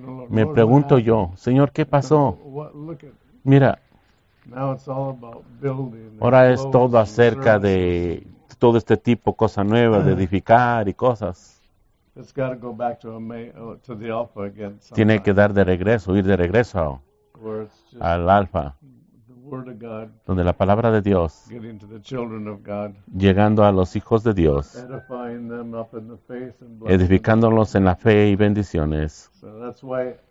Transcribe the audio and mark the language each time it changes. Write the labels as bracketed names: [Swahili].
[Spanish] Me pregunto yo, Señor, ¿qué pasó? Mira, [English] Now it's all about building. [Spanish] Ahora es todo acerca de todo este tipo de cosas nuevas, de edificar y cosas. [English] It's got to go back to the Alpha again. Sometime. [Spanish] Tiene que dar de regreso, ir de regreso al Alpha. [English] The Word of God, [Spanish] donde la palabra de Dios, [English] getting to the children of God, [Spanish] llegando a los hijos de Dios, [English] edifying them up in the faith and blessings, [Spanish] edificándolos en la fe y bendiciones. [English] So that's why,